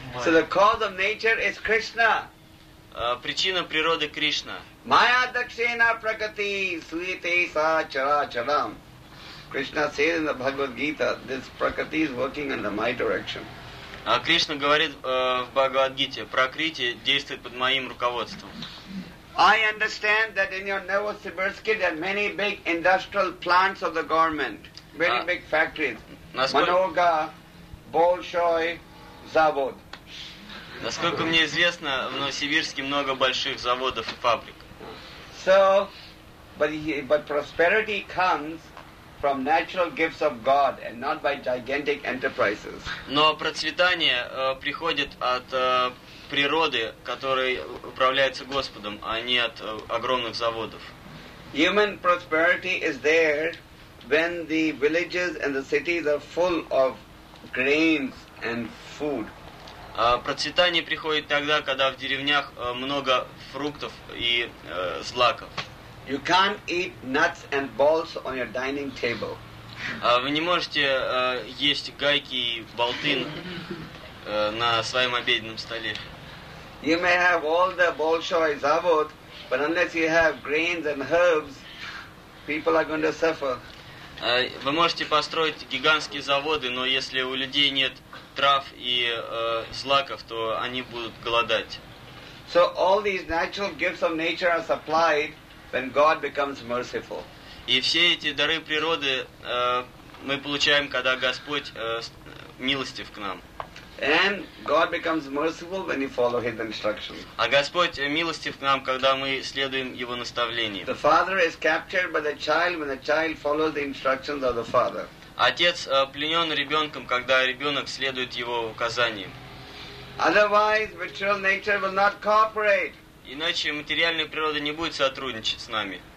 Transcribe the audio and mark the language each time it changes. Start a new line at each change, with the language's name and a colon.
English: So the cause of nature is Krishna.
Russian: Причина природы Кришна.
Sanskrit: Maya dakshina prakriti suite sa chara charam.
English: Krishna says in the Bhagavad Gita, this prakriti is working under my direction.
Russian: А Кришна говорит в Бхагавад Гите, прокрити действует под моим руководством.
English: I understand that in your Novosibirsk there are many big industrial plants of the government, very big factories.
Russian: Manoga, Bolshoi, Zavod. Насколько мне известно, в Новосибирске много больших заводов и фабрик.
English: So, but prosperity comes from natural gifts of God and not by gigantic enterprises.
Russian: Но процветание приходит от природы, которая управляется Господом, а не от огромных заводов.
English: Human prosperity is there when the villages and the cities are full of grains and food.
Russian: Процветание приходит тогда, когда в деревнях много фруктов и злаков.
English: You can't eat nuts and bolts on your dining table.
Russian: Вы не можете есть гайки и болты на своем обеденном столе.
English: You may have all the
Russian: bolshoi zavod,
English: but unless you have grains and herbs, people are going to suffer.
Russian: Вы можете построить гигантские заводы, но если у людей нет трав и злаков, то они будут голодать.
English: So all these natural gifts of nature are supplied when God becomes merciful.
Russian: И все эти дары природы мы получаем, когда Господь милостив к нам.
English: And God becomes merciful when you follow His instructions.
Russian: А Господь милостив к нам, когда мы следуем Его наставлениям.
English: The father is captured by the child when the child follows the instructions of the father.
Russian: Отец пленен ребенком, когда ребенок следует его указаниям.
English: Otherwise, material nature will not cooperate.
Russian: Иначе материальная природа не будет сотрудничать с нами.